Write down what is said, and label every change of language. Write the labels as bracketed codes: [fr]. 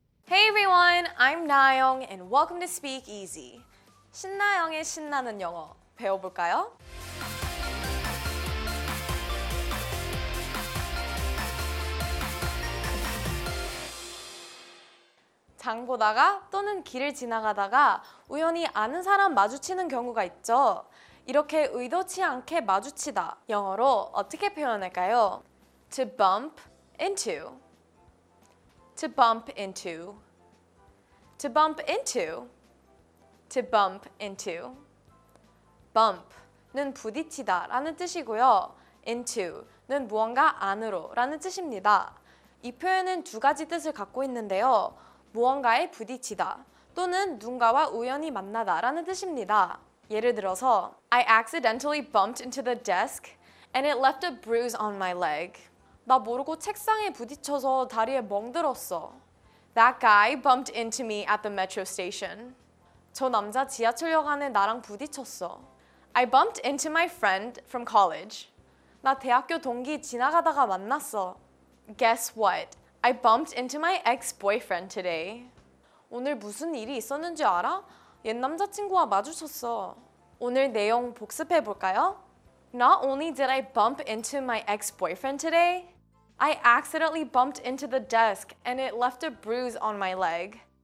[en] Hey everyone, I'm Nayoung and welcome to Speak Easy. [ko] 신나영의 신나는 영어 배워볼까요? 장 보다가 또는 길을 지나가다가 우연히 아는 사람 마주치는 경우가 있죠. 이렇게 의도치 않게 마주치다, 영어로 어떻게 표현할까요? [en] To bump into. To bump into. To bump into. To bump into. [ko] Bump는 부딪히다 라는 뜻이고요. Into는 무언가 안으로 라는 뜻입니다. 이 표현은 두 가지 뜻을 갖고 있는데요. 무언가에 부딪히다 또는 누군가와 우연히 만나다 라는 뜻입니다. 예를 들어서 [en] I accidentally bumped into the desk and it left a bruise on my leg. [ko] 나 모르고 책상에 부딪혀서 다리에 멍들었어. [en] That guy bumped into me at the metro station. [ko] 저 남자 지하철역 안에 나랑 부딪혔어. [en] I bumped into my friend from college. [ko] 나 대학교 동기 지나가다가 만났어. [en] Guess what? I bumped into my ex-boyfriend today. [ko] 오늘 무슨 일이 있었는지 알아? 옛 남자친구와 마주쳤어. 오늘 내용 복습해 볼까요? [en] Not only did I bump into my ex-boyfriend today, I accidentally bumped into the desk and it left a bruise on my leg.